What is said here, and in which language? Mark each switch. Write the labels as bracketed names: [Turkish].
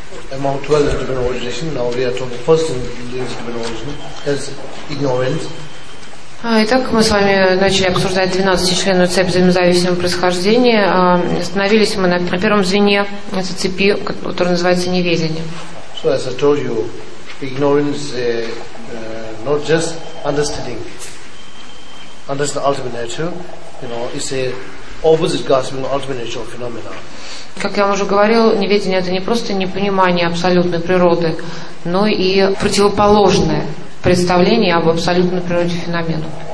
[English] Among 12 given origination, now we are talking first in these given origin, as ignorance. [Russian] Итак, мы с вами начали обсуждать 12-членную цепь взаимозависимого происхождения. Остановились мы на первом звене этой цепи, которая называется неведение. [English] So as I told you, ignorance not just understanding, understand the ultimate nature, you know, it's a opposite grasping ultimate nature of phenomena. [Russian] Как я вам уже говорил, неведение — это не просто непонимание абсолютной природы, но и противоположное представление об абсолютной природе феномена.